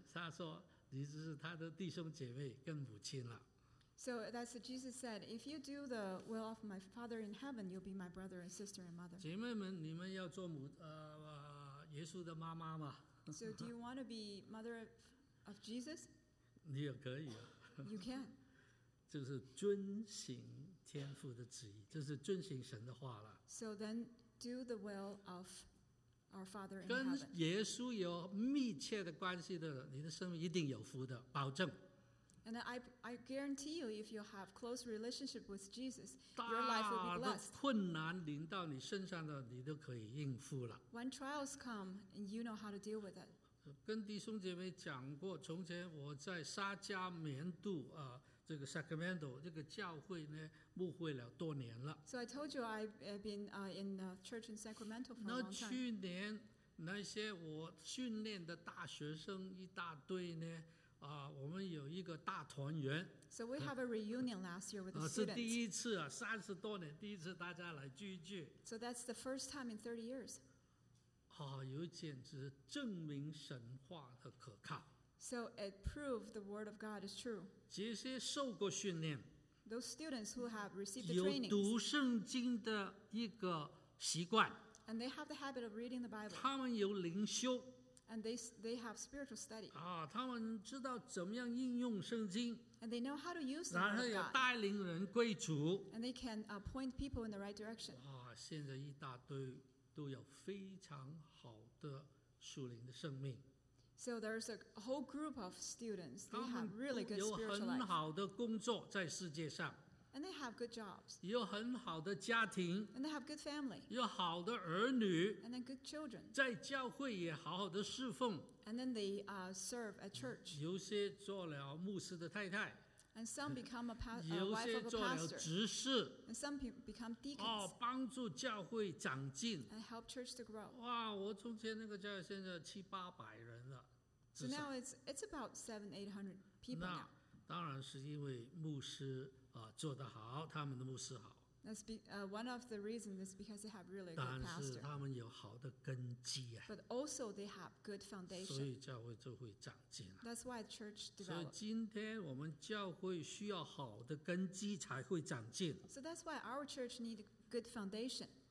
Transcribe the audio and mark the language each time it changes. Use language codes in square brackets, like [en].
[zh] 他说你就是他的弟兄姐妹跟母亲了。 [en] So that's what Jesus said, if you do the will of my Father in heaven, you'll be my brother and sister and mother. [zh] 姐妹们，你们要做母耶稣的妈妈吗？ [en] So do you want to be mother of Jesus? [zh] 你也可以啊。 [en] You can. [zh] 就是遵行天父的旨意，就是遵行神的话了。 [en] So then do the will of our Father in heaven. [zh] 跟耶稣有密切的关系的，你的生命一定有福的，保证。 [en] And I guarantee you, if you have close relationship with Jesus, your life will be blessed. [zh] 大的困难临到你身上的，你都可以应付了。 [en] When trials come, and you know how to deal with it. [zh] 跟弟兄姐妹讲过，从前我在沙加缅度啊，这个 Sacramento 这个教会呢，牧会了多年了。 [en] So I told you I've been in the church in Sacramento for a long time. [zh] 那去年那些我训练的大学生一大堆呢，我们有一个大团圆。 [en] So we have a reunion last year with the students. [zh] 是第一次啊，三十多年第一次大家来聚聚。 [en] So that's the first time in 30 years. [zh] 啊，有简直证明神话的可靠。 [en] So it proved the word of God is true. [zh] 这些受过训练， [en] those students who have received the training, [zh] 有读圣经的一个习惯， [en] and they have the habit of reading the Bible. [zh] 他们有灵修， [en] and they have spiritual study. [zh] 啊，他们知道怎么样应用圣经， [en] and they know how to use the word of God. [zh] 然后也带领人归主， [en] and they can point people in the right direction. [zh] 啊，现在一大堆都有非常好的属灵的生命。 [en] So there's a whole group of students. They have really good spiritual life. [zh] 有很好的工作在世界上。 [en] And they have good jobs. [zh] 有很好的家庭。 [en] And they have good family. [zh] 有好的儿女。 [en] And then good children. [zh] 在教会也好好的侍奉。 [en] And then they serve at church. [zh] 有些做了牧师的太太。 [en] And some become a wife of a pastor. [zh] 有些做了执事。 [en] And some become deacons. [zh] 帮助教会长进。 [en] And help church to grow. [zh] 哇，我从前那个教会现在七八百人了。 [en] So now it's about 700-800 people now. [zh] 当然是因为牧师做得好，他们的牧师好。 [en] That's one of the reasons is because they have really good pastor. [zh] 但是他们有好的根基啊。 [en] But also they have good foundation. [zh] 所以教会就会长进啊。 [en] That's why church develops. [zh] 所以今天我们教会需要好的根基才会长进。 [en] So that's why our church needs good foundation.